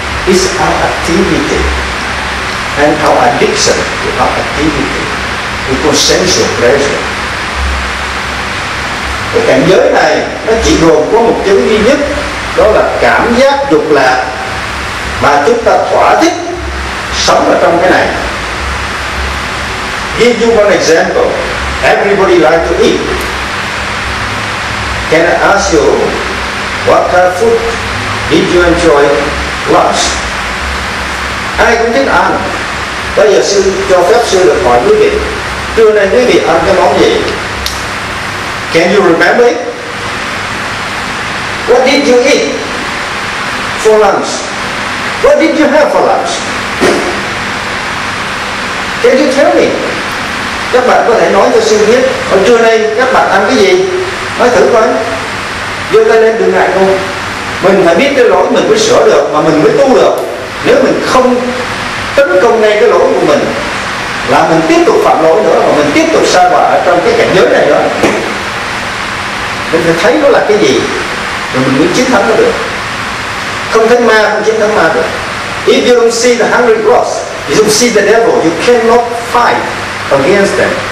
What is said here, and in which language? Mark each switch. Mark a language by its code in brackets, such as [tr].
[en] is our activity and our addiction to our activity equals sensual pleasure. [vi] Cái cảnh giới này nó chỉ gồm có một thứ duy nhất, đó là cảm giác dục lạc mà chúng ta thỏa thích sống ở trong cái này. [en] Give you one example. Everybody like to eat. Can I ask you what kind of food did you enjoy last? [vi] Ai cũng thích ăn. Bây giờ sư cho phép sư được hỏi quý vị, trưa nay quý vị ăn cái món gì? [en] Can you remember it? What did you eat for lunch? What did you have for lunch? Can you tell me? [vi] Các bạn có thể nói cho sư biết hôm trưa nay các bạn ăn cái gì? Nói thử coi. Giơ tay lên đừng ngại không? Mình phải biết cái lỗi mình mới sửa được mà mình mới tu được. Nếu mình không tấn công ngay cái lỗi của mình là mình tiếp tục phạm lỗi nữa, mà mình tiếp tục sa đọa ở trong cái cảnh giới này đó. Mình phải thấy nó là cái gì rồi mình mới chiến thắng nó được. Không thấy ma không chiến thắng ma được. [en] If you don't see the hungry cross, you don't see the devil, you cannot fight against them.